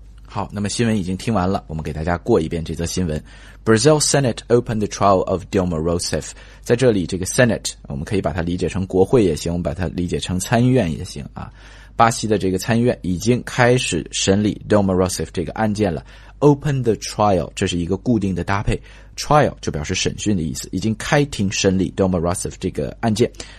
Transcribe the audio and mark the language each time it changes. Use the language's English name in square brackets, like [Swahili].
[Chinese] 好，那么新闻已经听完了，我们给大家过一遍这则新闻。 [English] Brazil Senate opened the trial of Dilma Rousseff. [Chinese] 在这里，这个 Senate 我们可以把它理解成国会也行，我们把它理解成参议院也行啊。巴西的这个参议院已经开始审理 Dilma Rousseff 这个案件了。 [English] Open the trial [Chinese] 这是一个固定的搭配 ，trial 就表示审讯的意思，已经开庭审理 Dilma Rousseff 这个案件。